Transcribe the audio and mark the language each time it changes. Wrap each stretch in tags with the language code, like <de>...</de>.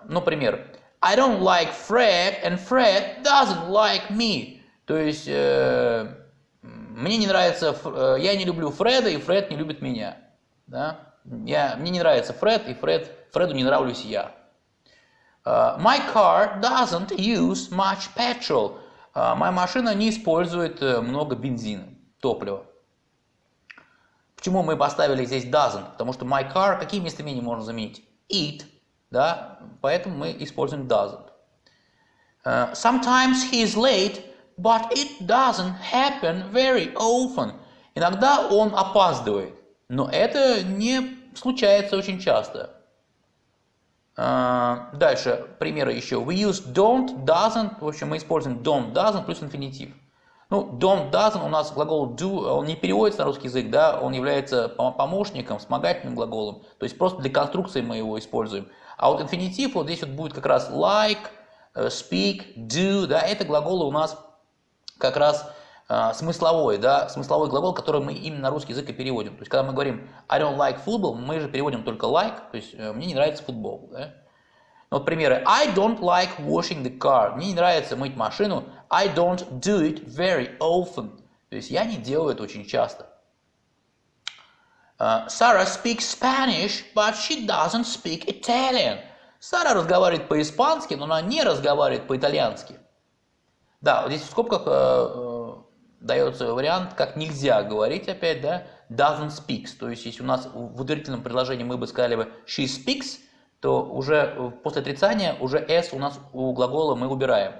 <ru>Например,</ru> <en>I don't like Fred, and Fred doesn't like me.</en> <ru>То есть мне не нравится, я не люблю Фреда, и Фред не любит меня. Да? Мне не нравится Фред, и Фреду не нравлюсь я.</ru> <en>My car doesn't use much petrol.</en> <ru>Моя машина не использует много бензина, топлива. Почему мы поставили здесь doesn't? Потому что my car, какие местоимения можно заменить? It, да? Поэтому мы используем doesn't.</ru> <en>Sometimes he is late, but it doesn't happen very often.</en> <ru>Иногда он опаздывает, но это не случается очень часто. Дальше, примеры еще.</ru> <en>We use don't, doesn't.</en> <ru>В общем, мы используем don't, doesn't плюс инфинитив. Ну, don't, doesn't у нас глагол do, он не переводится на русский язык, да, он является помощником, вспомогательным глаголом. То есть просто для конструкции мы его используем. А вот инфинитив, вот здесь вот будет как раз like, speak, do, да, это глаголы у нас как раз смысловой, да, смысловой глагол, который мы именно на русский язык и переводим. То есть, когда мы говорим</ru> <en>I don't like football,</en> <ru>мы же переводим только like, то есть мне не нравится футбол. Да? Вот примеры.</ru> <en>I don't like washing the car.</en> <ru>Мне не нравится мыть машину.</ru> <en>I don't do it very often.</en> <ru>То есть я не делаю это очень часто.</ru> <en>Sarah speaks Spanish, but she doesn't speak Italian.</en> <ru>Сара разговаривает по-испански, но она не разговаривает по-итальянски. Да, вот здесь в скобках дается вариант, как нельзя говорить опять, да, doesn't speaks. То есть, если у нас в утвердительном предложении мы бы сказали бы</ru> <en>she speaks,</en> <ru>то уже после отрицания уже s у нас у глагола мы убираем.</ru>